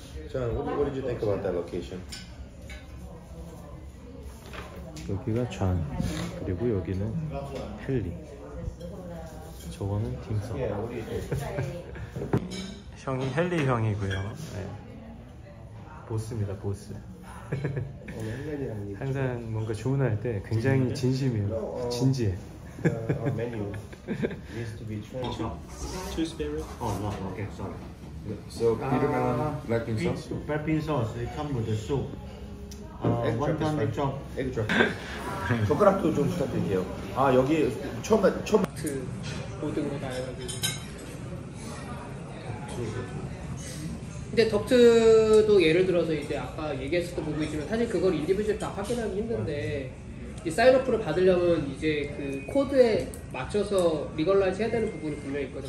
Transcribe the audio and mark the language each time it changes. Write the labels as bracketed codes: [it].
[en] John, what did you think about that location? [ko] 여기가 John, 그리고 여기는 펠리. 저거는 딤섬. 형이 헨리 형이고요. 네. 보스입니다, 보스. 항상 뭔가 주문할 때 굉장히 진심이에요. 진지해. [en] Our menu needs to be changed. Two spirits? Oh, no, okay, sorry. So, Peter Melon, black bean sauce? Black bean sauce, it comes with the soup. Egg drop. [ko] 젓가락도 좀 부탁드릴게요. 아, 여기 처음에 그 고등어 나와가지고. 근데 덕트도 예를 들어서 이제 아까 얘기했을 때 보고 있지만 사실 그걸 인디비주얼 다 확인하기 힘든데 이 사인오프를 받으려면 이제 그 코드에 맞춰서 리걸라이즈 해야 되는 부분이 분명히 있거든.